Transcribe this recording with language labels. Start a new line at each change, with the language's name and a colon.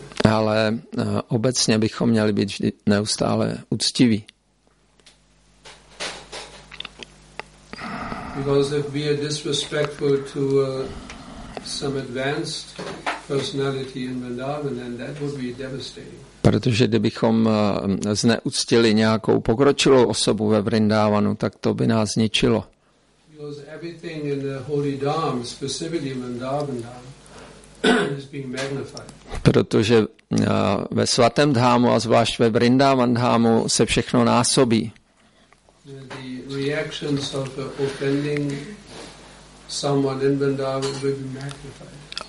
Czech: Ale obecně bychom měli být vždy neustále úctiví.
English: Because if we are disrespectful to some advanced personality in Vrindavan, then that would be devastating.
Czech: Protože kdybychom zneuctili nějakou pokročilou osobu ve Vrindavanu, tak to by nás zničilo.
English: Because everything in the holy dham, specifically Vrindavan dham, is being magnified.
Czech: Protože ve svatém dhámu a zvlášť ve Vrindavan dhámu se všechno násobí.
English: The reactions of offending someone in Vrindavan will be magnified.